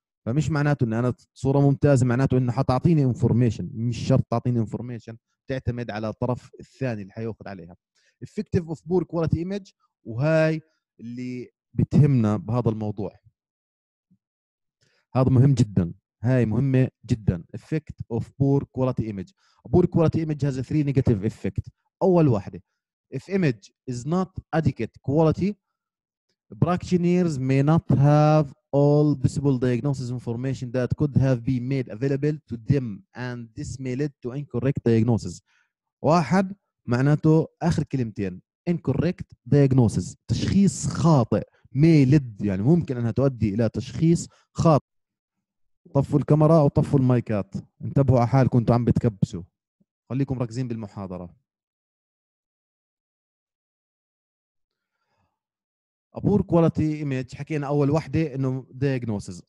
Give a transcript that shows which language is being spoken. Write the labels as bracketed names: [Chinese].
[Arabic] فمش معناته ان انا صورة ممتازة معناته انه حتعطيني انفورميشن، مش شرط تعطيني انفورميشن، تعتمد على الطرف الثاني اللي حيوخد عليها [English] effective of poor quality image، [Arabic] وهاي اللي بتهمنا بهذا الموضوع. هذا مهم جدا، هاي مهمة جدا. [English] effect of poor quality image. poor quality image has three negative effect. [Arabic] اول واحدة [English] if image is not adequate quality practitioners may not have all visible diagnosis information that could have been made available to them and this may lead to incorrect diagnosis. [Arabic] واحد معناته اخر كلمتين [English] incorrect diagnosis [Arabic] تشخيص خاطئ، may lead يعني ممكن انها تؤدي الى تشخيص خاطئ. طفوا الكاميرا وطفوا المايكات، انتبهوا على حالكم انتوا عم بتكبسوا، خليكم ركزين بالمحاضرة. [English] A poor quality image [Arabic] حكينا أول واحدة إنه [English] diagnosis.